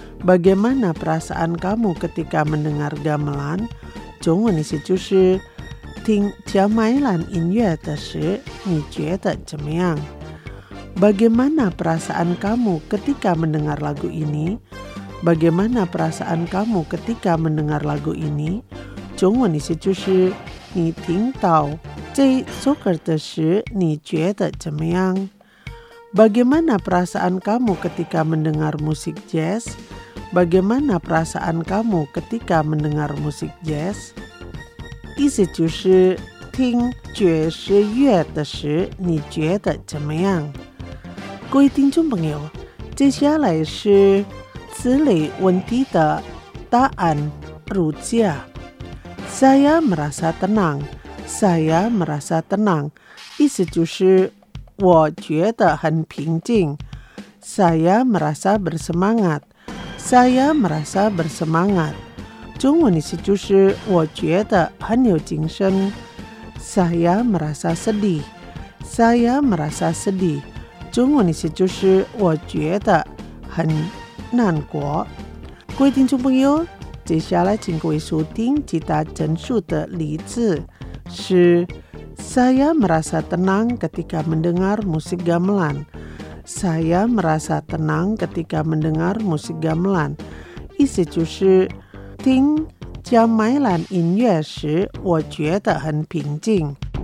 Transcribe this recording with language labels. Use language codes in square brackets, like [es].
[id] Bagaimana perasaan kamu ketika mendengar gamelan? [zh] 中文的意思就是听加麦兰音乐的时你觉得怎么样？ [id] Bagaimana perasaan kamu ketika mendengar lagu ini? Bagaimana perasaan kamu ketika mendengar lagu ini? [zh] 中文的意思就是你听到这首歌的时你觉得怎么样？ [id] Bagaimana perasaan kamu ketika mendengar musik jazz? Bagaimana perasaan kamu ketika mendengar musik jazz? [zh] 意思就是听爵士乐的时你觉得怎么样？各位听众朋友，接下来是此类问题的答案如下。 [id] Saya merasa tenang Saya merasa tenang [zh] 意思就是我觉得很平静。 [id] Saya merasa bersemangat Saya merasa bersemangat [zh] 中文的意思就是我觉得很有精神。 [id] Saya merasa sedih Saya merasa sedih [zh] 中文的意思就是我觉得很难过。各位听众朋友，接下来请各位收听其他陈述的例子。 [id] 是 Saya merasa tenang ketika mendengar musik gamelan Saya merasa tenang ketika mendengar musik gamelan [zh] 意思就是听加麦兰音乐时我觉得很平静。